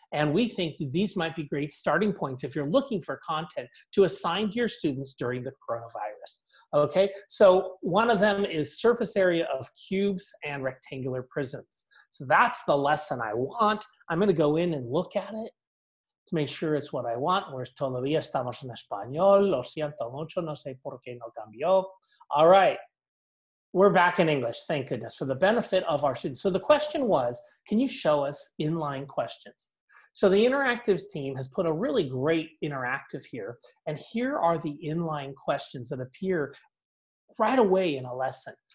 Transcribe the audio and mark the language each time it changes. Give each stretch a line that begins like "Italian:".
English: And we think these might be great starting points if you're looking for content to assign to your students during the coronavirus. Okay, so one of them is surface area of cubes and rectangular prisms. So that's the lesson I want. I'm gonna go in and look at it to make sure it's what I want. Whereas
Spanish: todavía estamos en español. Lo siento mucho, no sé por qué no cambió.
English: All right, we're back in English, thank goodness, for the benefit of our students. So the question was, can you show us inline questions? So the interactives team has put a really great interactive here, and here are the inline questions that appear right away in a lesson.